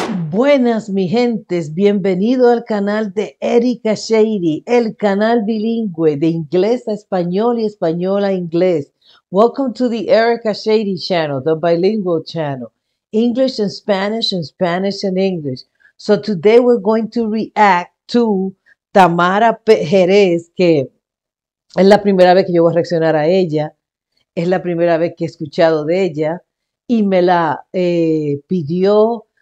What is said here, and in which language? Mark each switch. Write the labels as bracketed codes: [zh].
[es] Buenas, mi gentes, bienvenido al canal de Erika Shady, el canal bilingüe de inglés a español y español a inglés. [en] Welcome to the Erika Shady channel, the bilingual channel, English and Spanish and English. So today we're going to react to [es] Tamara Jerez, que es la primera vez que yo voy a reaccionar a ella, es la primera vez que he escuchado de ella, y me la pidió.